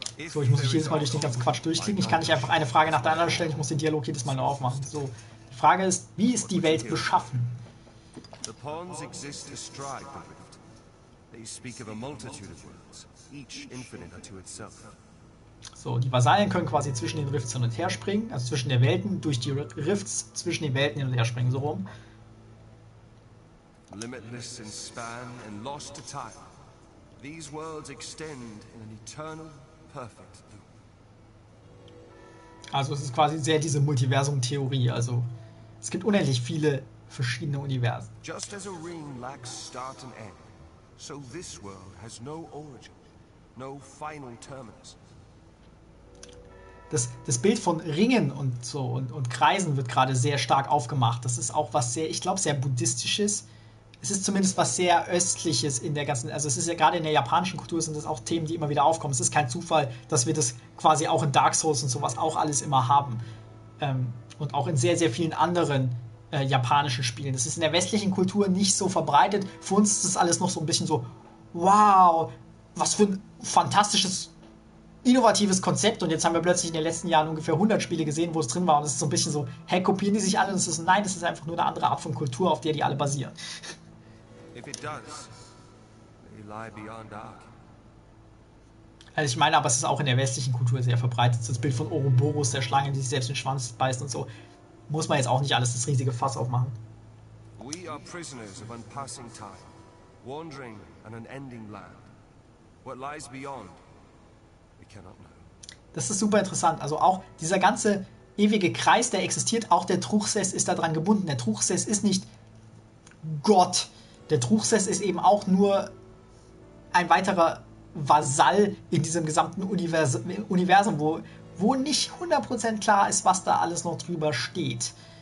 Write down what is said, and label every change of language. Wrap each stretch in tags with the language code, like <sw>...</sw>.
<de>So, ich muss mich jedes Mal durch den ganzen Quatsch durchklicken. Ich kann nicht einfach eine Frage nach der anderen stellen. Ich muss den Dialog jedes Mal neu aufmachen. So, die Frage ist, wie ist die Welt beschaffen?</de> <en>The pawns exist astride the rift. They speak of a multitude of worlds, each infinite unto itself.</en> <de>So, die Vasallen können quasi zwischen den Rifts hin und her springen, also zwischen den Welten, durch die Rifts zwischen den Welten hin und her springen, so rum.</de> <en>Limitless in span and lost to time, these worlds extend in an eternal, perfect loop.</en> <de>Also es ist quasi sehr diese Multiversum-Theorie, also es gibt unendlich viele verschiedene Universen.</de> <en>Just as a ring lacks start and end, so this world has no origin, no final terminus.</en> <de>Das Bild von Ringen und so und Kreisen wird gerade sehr stark aufgemacht. Das ist auch was sehr, ich glaube, sehr buddhistisches. Es ist zumindest was sehr östliches in der ganzen, also es ist ja gerade in der japanischen Kultur sind das auch Themen, die immer wieder aufkommen. Es ist kein Zufall, dass wir das quasi auch in Dark Souls und sowas auch alles immer haben. Und auch in sehr, sehr vielen anderen japanischen Spielen. Das ist in der westlichen Kultur nicht so verbreitet. Für uns ist das alles noch so ein bisschen so, wow, was für ein fantastisches, innovatives Konzept. Und jetzt haben wir plötzlich in den letzten Jahren ungefähr 100 Spiele gesehen, wo es drin war. Und es ist so ein bisschen so, hey, kopieren die sich alle? Und es ist, nein, das ist einfach nur eine andere Art von Kultur, auf der die alle basieren.</de> <en>If it does, they lie beyond dark.</en> <de>Also ich meine, aber es ist auch in der westlichen Kultur sehr verbreitet. Das Bild von Ouroboros, der Schlange, die sich selbst in den Schwanz beißt und so. Muss man jetzt auch nicht alles das riesige Fass aufmachen.</de> <en>We are prisoners of unpassing time, wandering an unending land. What lies beyond, we cannot know.</en> <de>Das ist super interessant. Also auch dieser ganze ewige Kreis, der existiert, auch der Truchsess ist daran gebunden. Der Truchsess ist nicht Gott. Der Truchsess ist eben auch nur ein weiterer Vasall in diesem gesamten Universum, wo nicht 100% klar ist, was da alles noch drüber steht.</de>